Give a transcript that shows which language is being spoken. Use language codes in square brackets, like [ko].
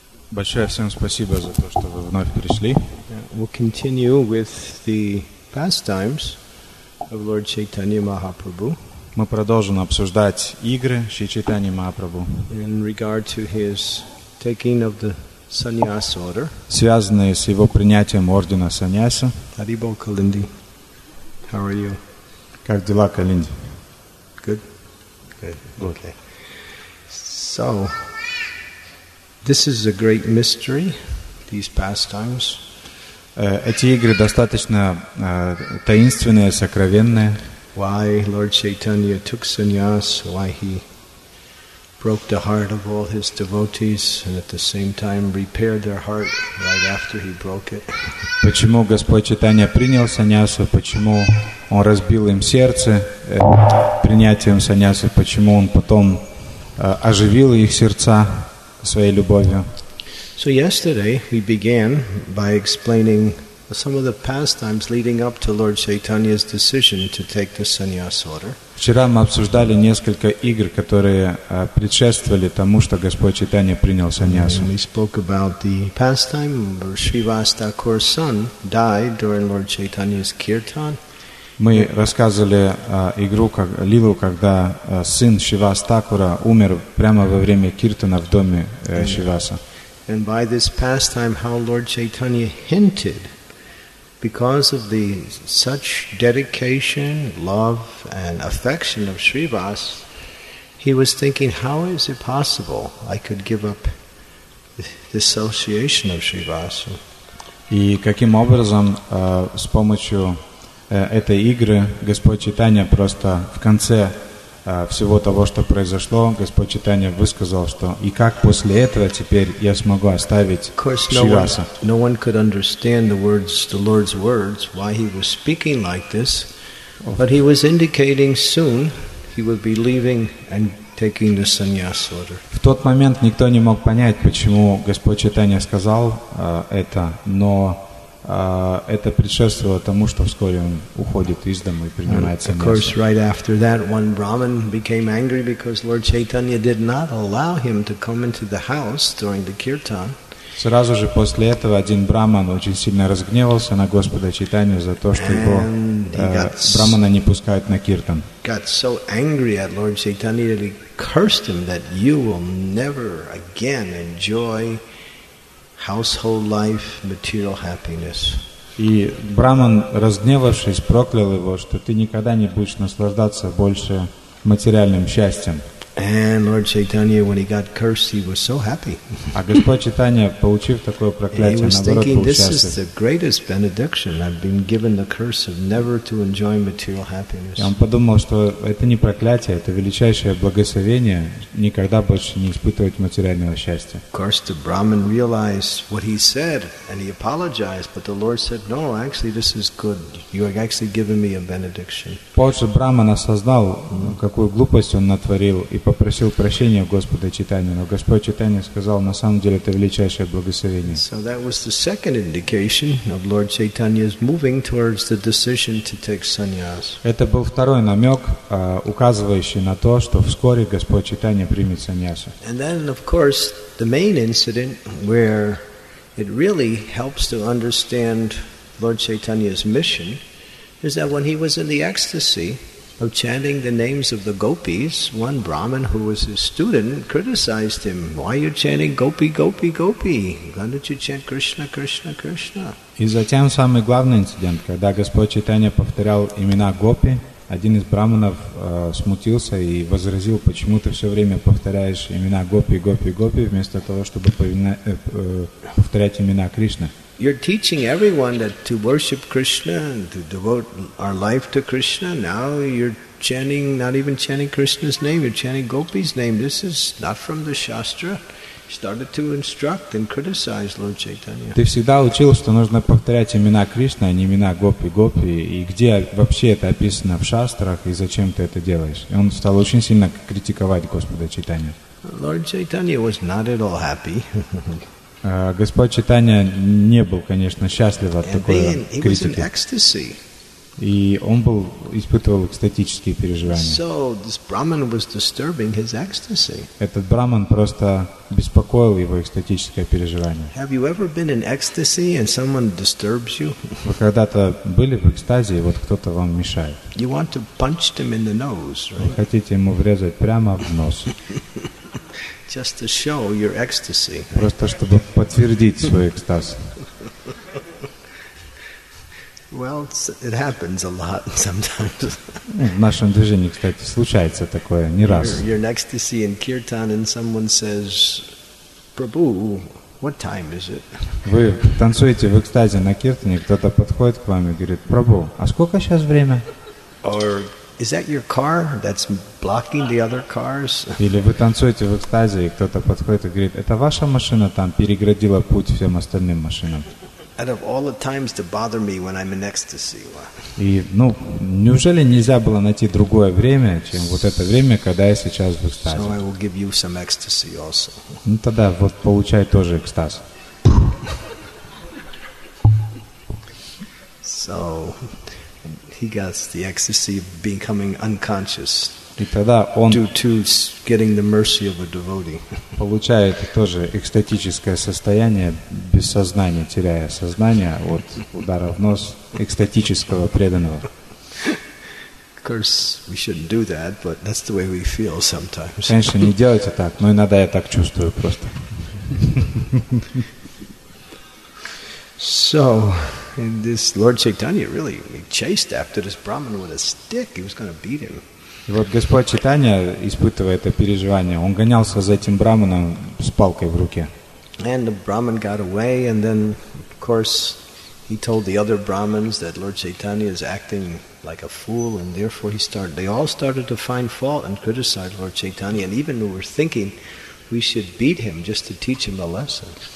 [ru] Большое всем спасибо за то, что вы вновь пришли. [en] We'll continue with the pastimes of Lord Chaitanya Mahaprabhu. [ru] Мы продолжим обсуждать игры Шри Чайтаньи Махапрабху. [en] In regard to his taking of the sannyas order. [ru] Связанные с его принятием ордена саньяса. [en] Haribol Kalindi. How are you? [ru] Как дела, Калинди? [en] Good. Good. Okay. So this is a great mystery, these pastimes. [ru] Эти игры достаточно таинственные, сокровенные. [en] Why Lord Chaitanya took sannyas, why he broke the heart of all his devotees and at the same time repaired their heart right after he broke it. [ru] Почему Господь Чайтанья принял саньясу, почему он разбил им сердце принятием саньясы, почему он потом оживил их сердца своей любовью. [en] So yesterday we began by explaining some of the pastimes leading up to Lord Chaitanya's decision to take the sannyas order. [ru] Вчера мы обсуждали несколько игр, которые предшествовали тому, что Господь Чайтанья принял саньясу. [en] We spoke about the pastime where Srivas Thakur's son died during Lord Chaitanya's kirtan. [ru] Мы рассказывали игру, как лилу, когда сын Шривас Такура умер прямо во время киртана в доме Шриваса. [en] And by this pastime, how Lord Chaitanya hinted, because of the such dedication, love, and affection of Srivas, he was thinking, how is it possible I could give up the association of Srivas? [ru] И каким образом с помощью этой игры Господь Чайтанья просто в конце всего того, что произошло, Господь Чайтанья высказал, что и как после этого теперь я смогу оставить Шриваса. [en] No one could understand the Lord's words, why he was speaking like this, but he was indicating soon he would be leaving and taking the sannyas order. [ru] В тот момент никто не мог понять, почему Господь Чайтанья сказал это, но это предшествовало тому, что вскоре он уходит из дома и принимает саньясу. [en] Of course, right after that, one Brahmin became angry because Lord Chaitanya did not allow him to come into the house during the kirtan. [ru] Сразу же после этого один Брахман очень сильно разгневался на Господа Чайтанью за то, что его Брахмана не пускают на киртан. [en] Got so angry at Lord Chaitanya that he cursed him that you will never again enjoy household life, material happiness. [ru] И Брахман, разгневавшись, проклял его, что ты никогда не будешь наслаждаться больше материальным счастьем. [en] And Lord Chaitanya, when he got cursed, he was so happy. [ru] А Господь Чайтанья, получив такое проклятие, наоборот, был счастлив. [en] He was thinking, this is the greatest benediction. I've been given the curse of never to enjoy material happiness. [ru] И он подумал, что это не проклятие, это величайшее благословение, никогда больше не испытывать материального счастья. [en] Of course, the Brahmin realized what he said, and he apologized, but the Lord said, no, actually, this is good. You are actually giving me a benediction. [ru] Позже Брахман осознал, какую глупость он натворил, и попросил прощения у Господа Чайтанья. Но Господь Чайтанья сказал, на самом деле это величайшее благословение. [en] So that was the second indication of Lord Chaitanya's moving towards the decision to take sannyas. [ru] Это был второй намек, указывающий на то, что вскоре Господь Чайтанья примет саньясу. [en] And then, of course, the main incident where it really helps to understand Lord Chaitanya's mission is that when he was in the ecstasy of chanting the names of the gopis, one Brahmin who was his student criticized him. Why are you chanting gopi, gopi, gopi? Why don't you chant Krishna, Krishna, Krishna? [ru] И затем самый главный инцидент, когда Господь Чайтанья повторял имена гопи, один из брахманов смутился и возразил, почему ты все время повторяешь имена гопи, гопи, гопи, вместо того, чтобы повторять имена Кришны. [en] you're teaching everyone that to worship Krishna and to devote our life to Krishna. Now you're chanting, not even chanting Krishna's name, you're chanting Gopi's name. This is not from the Shastra. Started to instruct and criticize Lord Chaitanya. [ru] Ты всегда учил, что нужно повторять имена Кришны, а не имена Гопи. И где вообще это описано в шастрах, и зачем ты это делаешь? И он стал очень сильно критиковать Господа Чайтанью. [en] Lord Chaitanya was not at all happy. [ru] Господь Чайтанья не был, конечно, счастлив от такой критики. И он был, испытывал экстатические переживания. [en] So this Brahman was disturbing his ecstasy. [ru] Этот Брахман просто беспокоил его экстатическое переживание. [en] Have you ever been in ecstasy and someone disturbs you? [ru] Вы когда-то были в экстазе, и вот кто-то вам мешает? [en] You want to punch them in the nose, right? [ru] Вы хотите ему врезать прямо в нос. [en] Just to show your ecstasy. [ru] Просто чтобы подтвердить свой экстаз. [en] Well, it happens a lot sometimes. [ru] В нашем движении, кстати, случается такое не раз. [en] You're next to see in kirtan and someone says, "Prabhu, what time is it?" [ru] Вы танцуете в экстазе на киртане, кто-то подходит к вам и говорит: "Прабу, а сколько сейчас время?" [en] Or is that your car that's blocking the other cars? [ru] Или вы танцуете в экстазе, и кто-то подходит и говорит: "Это ваша машина там переградила путь всем остальным машинам?" [en] Out of all the times to bother me when I'm in ecstasy. [ru] И, ну, неужели нельзя было найти другое время, чем вот это время, когда я сейчас в экстазе? [en] So I will give you some ecstasy also. [ru] Ну тогда вот получай тоже экстаз. [en] So he gets the ecstasy of becoming unconscious. [ru] И тогда он [en] getting the mercy of a devotee. [ru] Получает тоже экстатическое состояние, без сознания, теряя сознание от удара в нос экстатического преданного. [en] Of course, we shouldn't do that, but that's the way we feel sometimes. [ru] Конечно, не делайте так, но иногда я так чувствую просто. [en] So, and this Lord Chaitanya really chased after this Brahman with a stick. He was going to beat him. [ru] И вот Господь Чайтанья, испытывая это переживание, он гонялся за этим Брахманом с палкой в руке. [en] And the Brahman got away, and then, of course, he told the other Brahmins that Lord Chaitanya is acting like a fool, and therefore they all started to find fault and criticize Lord Chaitanya, and even were thinking we should beat him just to teach him a lesson.